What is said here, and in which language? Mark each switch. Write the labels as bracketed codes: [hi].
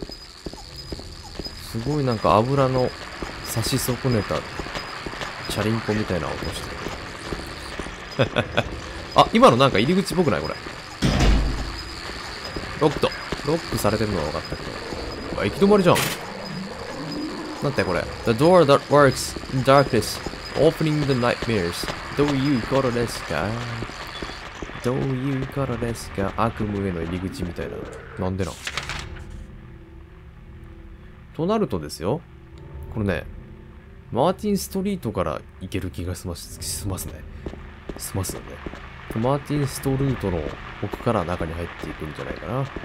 [ja] すごいなんか油の差し損ねた、チャリンコみたいな音してる。あ、今のなんか入り口っぽくない？これ。ロックと。ロックされてるのは分かったけど。あ、行き止まりじゃん。なんてこれ。 [en] The door that works in darkness, opening the nightmares. Do you got this guy? Do you got this guy? [ja] 悪夢への入り口みたいな。なんでな。となるとですよ。これね、マーティンストリートから行ける気がしますね。すますので、ね、マーティンストルートの奥から中に入っていくんじゃないかな。